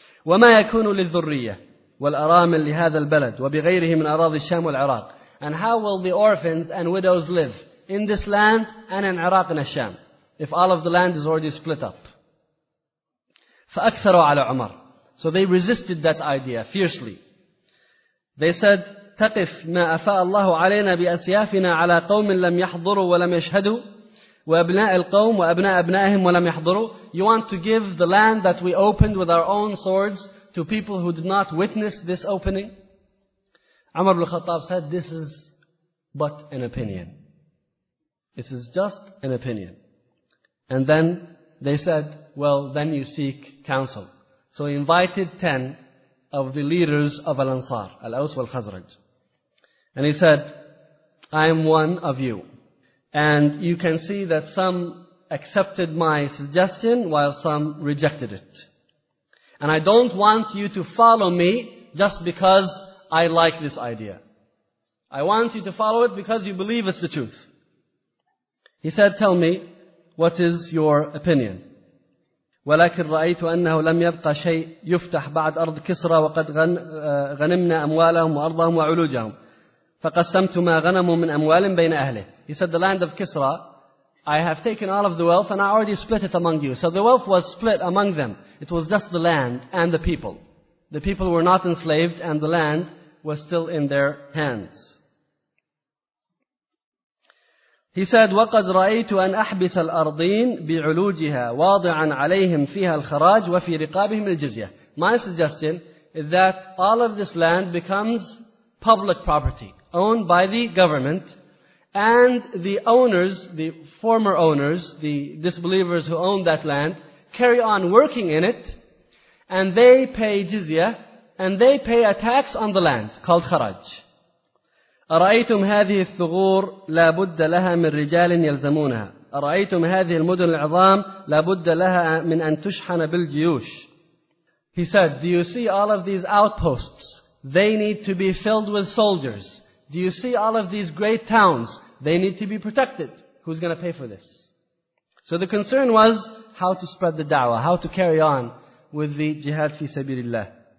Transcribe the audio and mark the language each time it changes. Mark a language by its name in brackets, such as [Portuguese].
[Arabic] وَمَا يَكُونُ لِلذُّرِّيَّةِ وَالْأَرَامِلِ لِهَذَا الْبَلَدِ وَبِغَيْرِهِ مِنْ أَرَاضِ الشَّامِ وَالْعِرَاقِ. [English] And how will the orphans and widows live in this land and in Iraq and al-Sham, if all of the land is already split up? [Arabic] فَأَكْثَرُوا عَلَى عُمَرِ. [English] So they resisted that idea fiercely. They said, [Arabic] تقف ما أفاء الله علينا بأسيافنا على قوم لم يحضروا ولم يشهدوا وأبناء القوم وأبناء أبنائهم ولم يحضروا. [English] You want to give the land that we opened with our own swords to people who did not witness this opening? Umar ibn al-Khattab said, this is but an opinion. This is just an opinion. And then they said, well, then you seek counsel. So he invited 10 of the leaders of Al-Ansar, Al-Aus wal-Khazraj. And he said, I am one of you. And you can see that some accepted my suggestion while some rejected it. And I don't want you to follow me just because I like this idea. I want you to follow it because you believe it's the truth. He said, tell me, what is your opinion? [Arabic] ولكن رأيت أنه لم يبقى شيء يفتح بعد أرض كسرى وقد غنمنا أموالهم وأرضهم وعلوجهم. فقسمت ما غنموا من أموال بين أهله. [English] He said, the land of Kisra, I have taken all of the wealth and I already split it among you. So the wealth was split among them. It was just the land and the people. The people were not enslaved and the land was still in their hands. He said, [Arabic] وَقَدْ رَأَيْتُ أَنْ أَحْبِسَ الْأَرْضِينَ بِعُلُوجِهَا وَاضِعًا عَلَيْهِمْ فِيهَا الْخَرَاجِ وَفِي رِقَابِهِمْ الْجِزْيَةِ. [English] My suggestion is that all of this land becomes public property, owned by the government, and the owners, the former owners, the disbelievers who own that land, carry on working in it, and they pay jizya, and they pay a tax on the land, called kharaj. [Arabic] أرأيتم هذه الثغور لابد لها من رجال يلزمونها. أرأيتم هذه المدن العظام لابد لها من أن تشحن بالجيوش. [English] He said, do you see all of these outposts? They need to be filled with soldiers. Do you see all of these great towns? They need to be protected. Who's going to pay for this? So the concern was how to spread the da'wah, how to carry on with the jihad fi sabilillah.